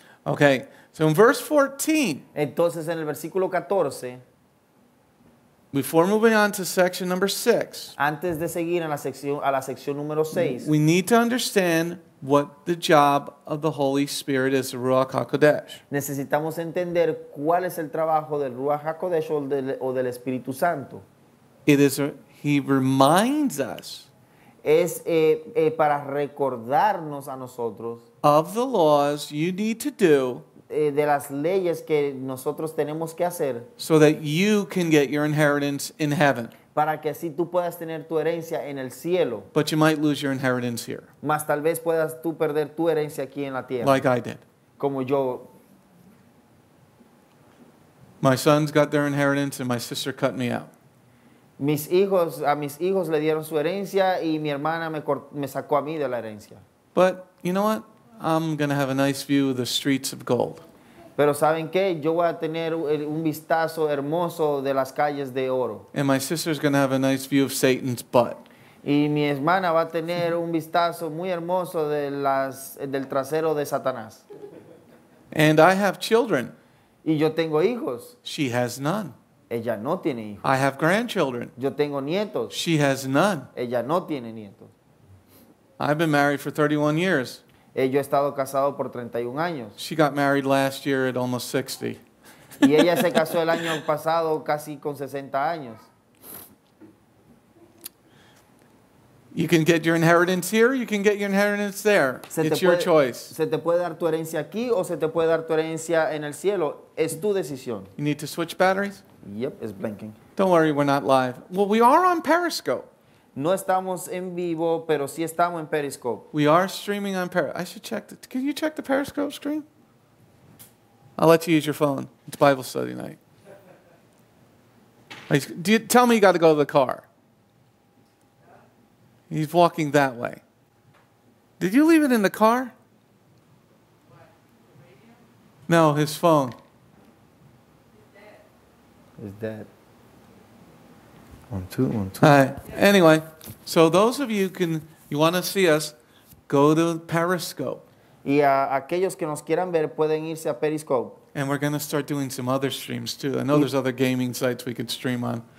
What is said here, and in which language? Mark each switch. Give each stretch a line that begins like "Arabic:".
English: Okay, so in verse 14.
Spanish: Entonces en el versículo 14.
English: Before moving on to section number 6.
Spanish: Antes de seguir a la sección número 6.
English: We need to understand what the job of the Holy Spirit is, the Ruach HaKodesh.
Spanish: Necesitamos entender cuál es el trabajo del Ruach HaKodesh o del Espíritu Santo.
English: He reminds us.
Spanish: Es para recordarnos a nosotros
English: of the laws you need to do
Spanish: de las leyes que nosotros tenemos que hacer
English: so that you can get your inheritance in heaven.
Spanish: Para que así tú puedas tener tu herencia en el cielo.
English: But you might lose your inheritance here.
Spanish: Mas tal vez puedas tú perder tu herencia aquí en la tierra.
English: Like I did.
Spanish: Como yo.
English: My sons got their inheritance and my sister cut me out.
Spanish: A mis hijos le dieron su herencia y mi hermana me sacó a mí de la herencia.
English: But you know what? I'm going to have a nice view of the streets of gold.
Spanish: Pero ¿saben qué? Yo voy a tener un vistazo hermoso de las calles de oro.
English: And my sister's going to have a nice view of Satan's butt.
Spanish: Y mi hermana va a tener un vistazo muy hermoso del trasero de Satanás.
English: And I have children.
Spanish: Y yo tengo hijos.
English: She has none.
Spanish: Ella no tiene hijos.
English: I have grandchildren.
Spanish: Yo tengo nietos.
English: She has none.
Spanish: Ella no tiene nietos.
English: I've been married for 31 years.
Spanish: Yo he estado casado por 31 años.
English: She got married last year at almost 60.
Spanish: Y ella se casó el año pasado casi con 60 años.
English: You can get your inheritance here, you can get your inheritance there. It's your choice.
Spanish: Se te puede dar tu herencia aquí o se te puede dar tu herencia en el cielo. Es tu decisión.
English: You need to switch batteries? Yep, it's blinking. Don't worry, we're not live. Well, we are on Periscope.
Spanish: No estamos en vivo, pero sí estamos en Periscope.
English: We are streaming on Periscope. I should check. Can you check the Periscope screen? I'll let you use your phone. It's Bible study night. Tell me you got to go to the car. He's walking that way. Did you leave it in the car? No, his phone. Is that 1-2-1-2? All right. Anyway, so those of you you want to see us, go to Periscope.
Spanish: Y a aquellos que nos quieran ver pueden irse a Periscope.
English: And we're going to start doing some other streams too. I know there's other gaming sites we could stream on.